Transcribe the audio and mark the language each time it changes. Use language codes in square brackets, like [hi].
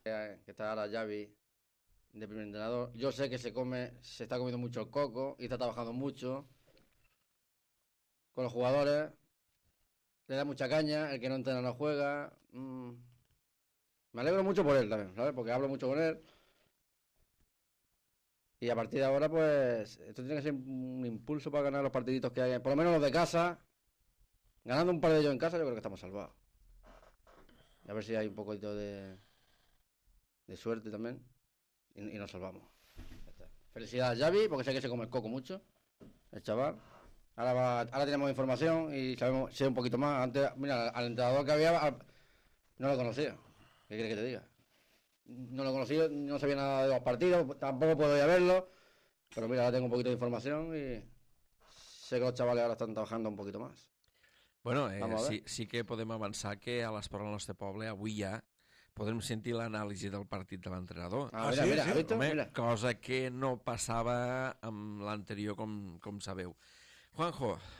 [ca] Que està ara Xavi, de primer entrenador. [es] Jo sé que se está comiendo mucho el coco y está trabajando mucho con los jugadores. Le da mucha caña, el que no entrena no juega. Me alegro mucho por él también, ¿sabes? Porque hablo mucho con él. Y a partir de ahora, pues, esto tiene que ser un impulso para ganar los partiditos que hay, por lo menos los de casa. Ganando un par de ellos en casa, yo creo que estamos salvados. Y a ver si hay un poquito de suerte también. Y nos salvamos. Felicidades, Xavi, porque sé que se come el coco mucho, el chaval. Ahora tenemos información y sabemos, sé un poquito más. Antes, mira, al entrenador que había, no lo conocía. ¿Qué quieres que te diga? No lo conocía, no sabía nada de los partidos, tampoco puedo ir a verlo. Pero mira, ahora tengo un poquito de información y sé que los chavales ahora están trabajando un poquito más. [ca] Bueno, sí que podem avançar que a l'esport del nostre poble avui ja podrem sentir l'anàlisi del partit de l'entrenador. Cosa que no passava amb l'anterior, com sabeu. Juanjo.